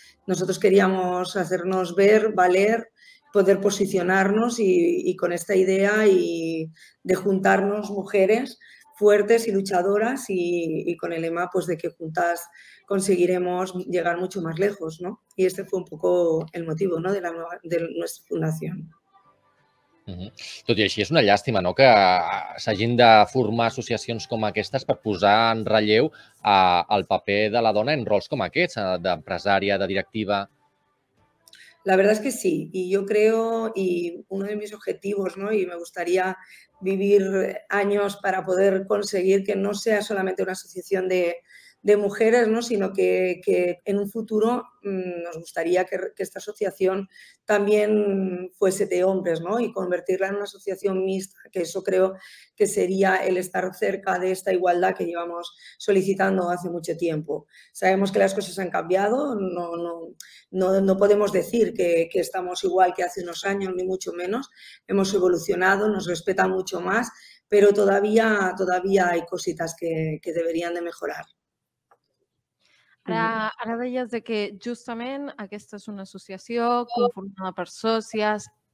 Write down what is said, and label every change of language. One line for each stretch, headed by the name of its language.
Spanish: Nosotros queríamos hacernos ver, valer, poder posicionarnos y con esta idea y de juntarnos mujeres fuertes y luchadoras y con el lema pues de que juntas conseguiremos llegar mucho más lejos, ¿no? Y este fue un poco el motivo, ¿no?, de nuestra fundación. Mm-hmm.
Catalan: Tot i així, és una llàstima, no?, que s'hagin de formar associacions com aquestes per posar en relleu el paper de la dona en rols com aquests, d'empresària, de directiva.
Spanish: La verdad es que sí, y yo creo, y uno de mis objetivos, ¿no?, y me gustaría vivir años para poder conseguir que no sea solamente una asociación de mujeres, ¿no?, sino que en un futuro nos gustaría que esta asociación también fuese de hombres, ¿no?, y convertirla en una asociación mixta, que eso creo que sería el estar cerca de esta igualdad que llevamos solicitando hace mucho tiempo. Sabemos que las cosas han cambiado, no podemos decir que estamos igual que hace unos años, ni mucho menos. Hemos evolucionado, nos respetan mucho más, pero todavía hay cositas que deberían de mejorar.
Catalan: Ara deies que justament aquesta és una associació conformada per sòcies.